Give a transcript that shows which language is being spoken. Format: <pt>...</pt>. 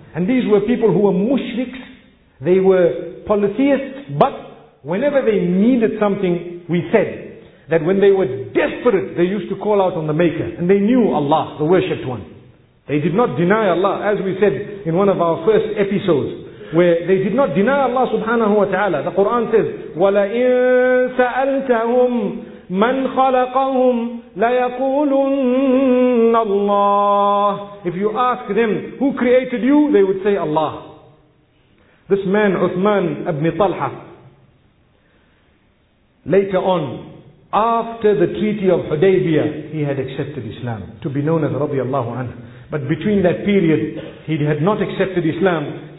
<en>And these were people who were mushriks. They were polytheists, but whenever they needed something, we said that when they were desperate, they used to call out on the Maker, and they knew Allah, the worshipped one. They did not deny Allah, as we said in one of our first episodes, where they did not deny Allah subhanahu wa ta'ala. The Quran says,</en> <ar>وَلَئِن سَأَلْتَهُمْ مَنْ خَلَقَهُمْ لَيَقُولُنَّ اللَّهِ.</ar> <en>If you ask them, who created you? They would say, Allah. This man, Uthman ibn Talha, later on, after the Treaty of Hudaybiyah, he had accepted Islam, to be known as radiyallahu anhu. But between that period, he had not accepted Islam.</en>